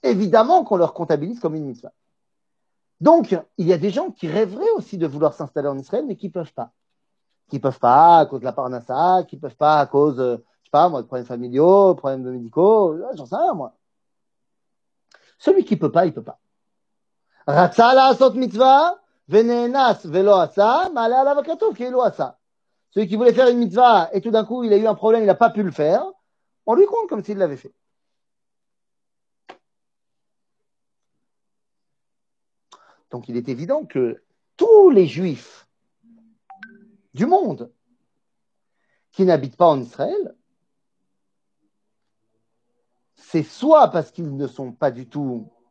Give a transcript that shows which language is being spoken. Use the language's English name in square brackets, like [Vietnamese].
[French] Évidemment qu'on leur comptabilise comme une mitzvah. Donc, il y a des gens qui rêveraient aussi de vouloir s'installer en Israël, mais qui peuvent pas. Qui peuvent pas à cause de la parnassa, qui peuvent pas à cause, je sais pas, moi, de problèmes familiaux, de problèmes médicaux, j'en sais rien, moi. Celui qui peut pas, il peut pas. [Hebrew] רצה לעשות מצווה ונאנס ולא עשה, מעלה עליו הכתוב כאילו עשה. [French] Celui qui voulait faire une mitzvah et tout d'un coup il a eu un problème, il n'a pas pu le faire, on lui compte comme s'il l'avait fait. Donc il est évident que tous les juifs du monde qui n'habitent pas en Israël, c'est soit parce qu'ils ne sont pas du tout...